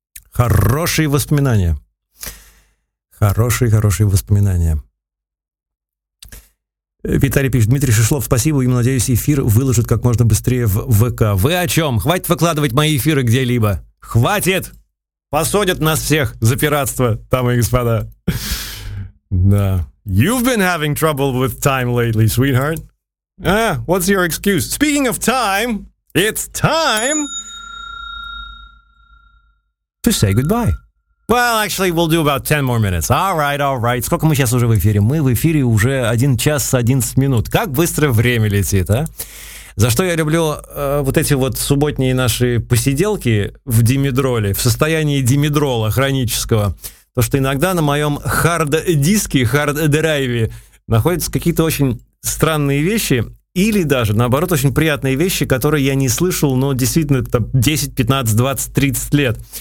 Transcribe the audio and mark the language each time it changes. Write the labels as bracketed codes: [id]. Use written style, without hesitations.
[ru] Хорошие воспоминания. Хорошие-хорошие воспоминания. Виталий пишет: Дмитрий Шишлов, спасибо, им, надеюсь, эфир выложат как можно быстрее в ВК. Вы о чем? Хватит выкладывать мои эфиры где-либо. Хватит! Посадят нас всех за пиратство, дамы и господа. Да. [en] You've been having trouble with time lately, sweetheart. What's your excuse? Speaking of time, it's time to say goodbye. Well, actually, we'll do about 10 more minutes. All right, all right. [ru] Сколько мы сейчас уже в эфире? Мы в эфире уже 1 час 11 минут. Как быстро время летит, а? За что я люблю вот эти вот субботние наши посиделки в димедроле, в состоянии димедрола хронического. То, что иногда на моем хард-диске, хард-драйве находятся какие-то очень странные вещи или даже, наоборот, очень приятные вещи, которые я не слышал, но действительно, это 10, 15, 20, 30 лет.